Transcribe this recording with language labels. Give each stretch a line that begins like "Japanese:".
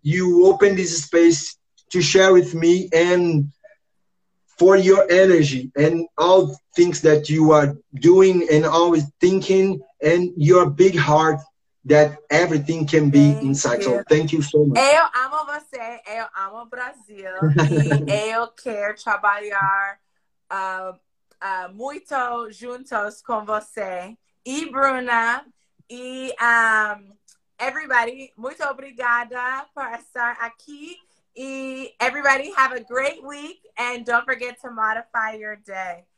English: You open this space to share with me and for your energy and all things that you are doing and always thinking and your big heart that everything can be thank inside. You. So thank you so much.
Portuguese: Eu amo você. Eu amo Brasil. E eu quero trabalhar muito juntos com você. E Bruna, e everybody, muito obrigada por estar aqui.
English: E everybody, have a great week, and don't forget to modify your day.